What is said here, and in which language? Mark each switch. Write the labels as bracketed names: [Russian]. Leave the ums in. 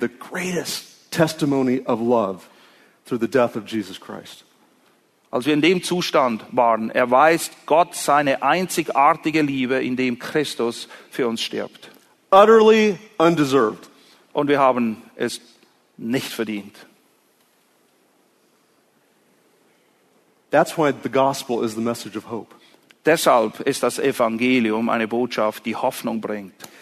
[English] the greatest testimony of love through the death of Jesus Christ. [German] in dem Zustand waren, erweist Gott seine einzigartige Liebe, indem Christus für uns stirbt. [English] Utterly undeserved. [German] Und wir haben es nicht verdient. [English] That's why the gospel is the message of hope. [German] Deshalb ist das Evangelium eine Botschaft, die Hoffnung bringt.